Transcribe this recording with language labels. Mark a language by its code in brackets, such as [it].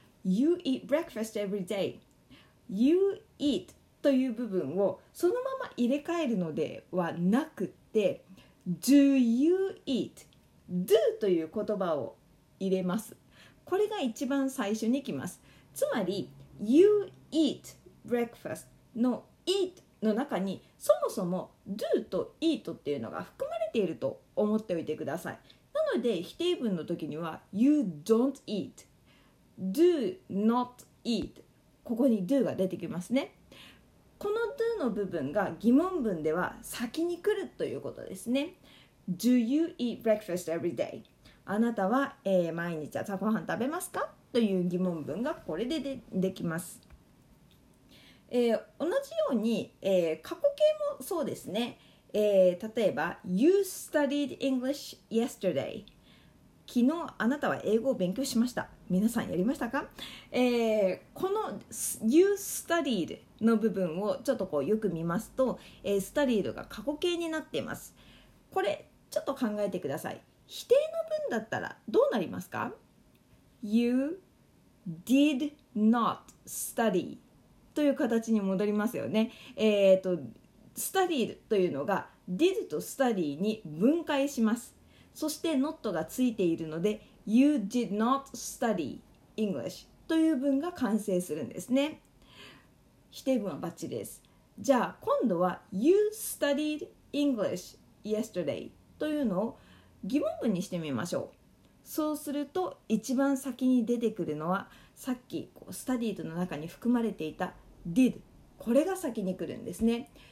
[en] You eat breakfast every day. [ja] You eat という部分をそのまま入れ替えるのではなくて、 [en] Do you eat? [ja] Do という言葉を入れます。これが一番最初に来ます。つまり [en] You eat breakfast [ja] の eat の中に、そもそも do と eat っていうのが含まれていると思っておいてください。なので否定文の時には [en] You don't eat、 Do not eat、 [ja] ここに do が出てきますね。この do の部分が疑問文では先に来るということですね。 [en] Do you eat breakfast every day? [ja] あなたは、毎日朝ごはん食べますか?という疑問文がこれで できます。同じように、過去形もそうですね。例えば、 [en] You studied English yesterday. [ja] 昨日あなたは英語を勉強しました。皆さんやりましたか? この You studied の部分をちょっとこうよく見ますと、studied が過去形になっています。これちょっと考えてください。否定の文だったらどうなりますか? [en] You did not study [ja] という形に戻りますよね。 studied というのが did と study に分解します。そして not がついているので [en] You did not study English [ja] という文が完成するんですね。否定文はバッチリです。じゃあ今度は [en] You studied English yesterday [ja] というのを疑問文にしてみましょう。そうすると一番先に出てくるのはさっき studied の中に含まれていた did、 これが先に来るんですね。